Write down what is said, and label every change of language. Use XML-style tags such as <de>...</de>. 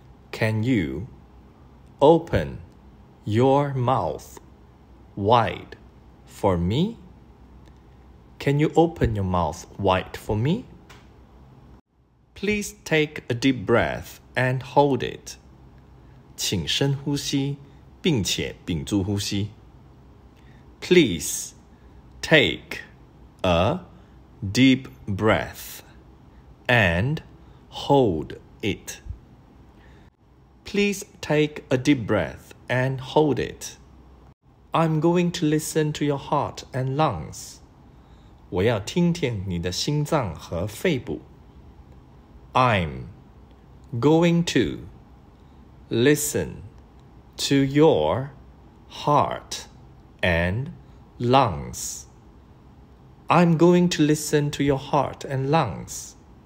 <en>Can you open your mouth wide for me? Can you open your mouth wide for me? Please take a deep breath and hold it.</en> <zh>请深呼吸并且屏住呼吸。</zh> <en>Please take a deep breath and hold it. Please take a deep breath and hold it. I'm going to listen to your heart and lungs.</en> <zh>我要听听你的心脏和肺部。</zh> <en>I'm going to listen to your heart and lungs. I'm going to listen to your heart and lungs.</en>